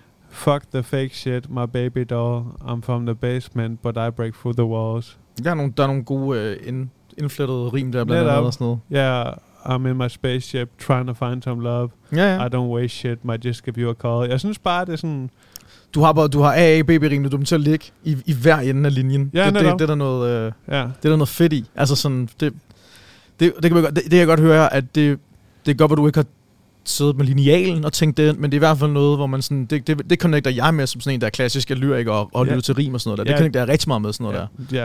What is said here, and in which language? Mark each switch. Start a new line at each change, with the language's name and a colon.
English: Fuck the fake shit, my baby doll, I'm from the basement, but I break through the walls.
Danish: Der er nogle gode indflettede rim der, blandt andet og sådan noget.
English: Ja, yeah, I'm in my spaceship, trying to find some love.
Danish: Ja, ja.
English: I don't waste shit, might just give you a call.
Danish: Jeg synes bare, det er sådan... Du har AABB-rimene, du er til at ligge i hver ende af linjen. Ja, det er der noget, det er der noget fedt i. Altså sådan, det kan man godt, det kan jeg godt høre, at det er godt, at du ikke har siddet med linealen og tænkt det, men det er i hvert fald noget, hvor man sådan, det connecter jeg med som sådan en, der er klassisk, jeg lyrer ikke og lytter til rim og sådan noget der. Det connecter jeg rigtig meget med sådan noget der.